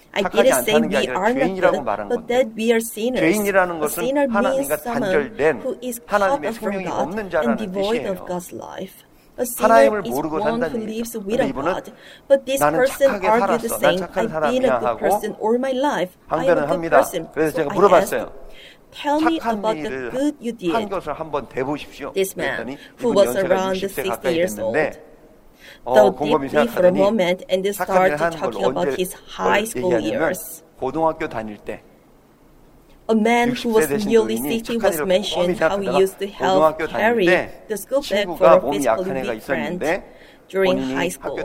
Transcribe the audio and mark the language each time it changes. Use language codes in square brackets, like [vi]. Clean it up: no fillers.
[en] I didn't say we are not good, but that we are sinners. [ko] 죄인이라는 것은 하나님과 단절된 하나님의 생명이 없는 자라는 뜻이에요. 하나님을 모르고 산다는 얘기예요. 이분은 나는 착하게 살았어. 난 착한 사람이야 하고 항변을 합니다. 그래서 제가 물어봤어요. [en] Tell me about the good you did. [ko] 착한 것을 한번 대보십시오. [en] This man, who was around 60 years old. Thought deeply for a moment and started talking about his high school years. [ko] 고등학교 다닐 때, [en] a man who was nearly 60 was mentioned how he used to help carry the school bag for a physically weak friend during high school.